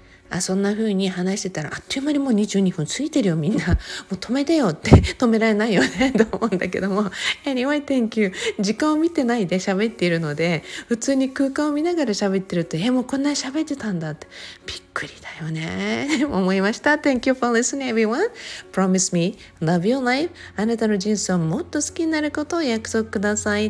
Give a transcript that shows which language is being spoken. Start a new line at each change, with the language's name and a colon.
Japanese: あ、そんな風に話してたらあっという間にもう22分過ぎてるよ、みんなもう止めてよって止められないよねと思うんだけども、
English: Anyway, thank you。
Japanese: 時間を見てないで喋っているので、普通に空間を見ながら喋ってると、もうこんなに喋ってたんだってびっくりだよね思いました。
English: Thank you for listening, everyone. Promise me, love your life.
Japanese: あなたの人生をもっと好きになることを約束ください。